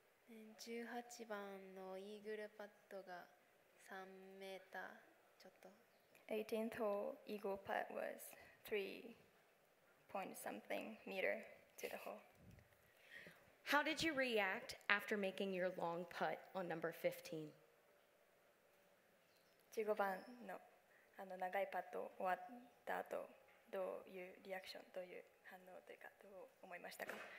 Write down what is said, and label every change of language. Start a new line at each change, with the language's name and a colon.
Japanese: 18番のイーグルパットが3メーターちょっと。
English: 18th hole eagle putt was 3.something meter to the hole. How did you react after making your long putt on number 15?
Japanese: 15番の、あの長いパット終わった後、どういうリアクション、どういう反応というか、どう思いましたか？